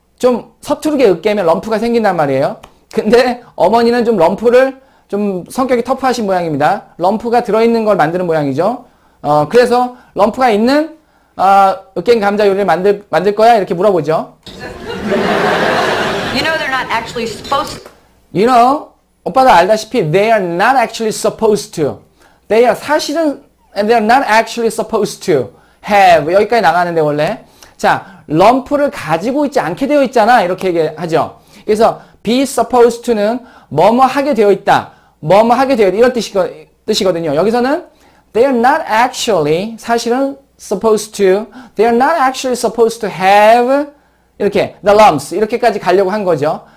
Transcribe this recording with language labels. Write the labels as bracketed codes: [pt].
[ko] 좀 서투르게 으깨면 럼프가 생긴단 말이에요. 근데 어머니는 좀 럼프를 좀 성격이 터프하신 모양입니다. 럼프가 들어있는 걸 만드는 모양이죠. 그래서 럼프가 있는 으깬 감자 요리를 만들 거야? 이렇게 물어보죠. [en] You know they're not actually supposed to. You know, [ko] 오빠도 알다시피 [en] they are not actually supposed to. They are [ko] 사실은 [en] they are not actually supposed to have. [ko] 여기까지 나가는데 원래. 자, 럼프를 가지고 있지 않게 되어 있잖아. 이렇게 얘기하죠. 그래서 be supposed to는 뭐뭐 하게 되어 있다. 뭐뭐 하게 되어 있다. 이런 뜻이거든요. 여기서는 [en] they are not actually [ko] 사실은 [en] supposed to, they are not actually supposed to have [ko] 이렇게 [en] the lumps [ko] 이렇게까지 가려고 한 거죠.